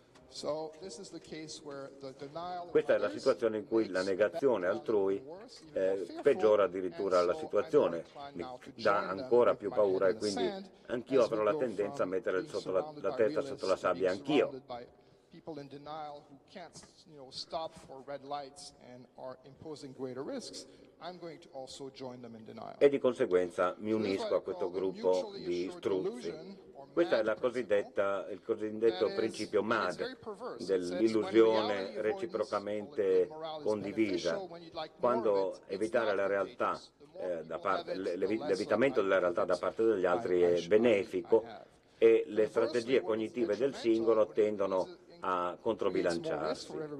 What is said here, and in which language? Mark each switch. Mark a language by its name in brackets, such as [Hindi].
[Italian] Questa è la situazione in cui la negazione altrui peggiora addirittura la situazione, mi dà ancora più paura, e quindi anch'io avrò la tendenza a mettere la testa sotto la sabbia anch'io. [English] People in denial who can't, stop for red lights and are imposing greater risks, I'm going to also join them in denial. [Italian] E di conseguenza mi unisco a questo gruppo di struzzi. Questa è il cosiddetto principio MAD dell'illusione reciprocamente condivisa. Quando evitare la realtà da parte, l'evitamento della realtà da parte degli altri è benefico, e le strategie cognitive del singolo tendono a controbilanciarsi.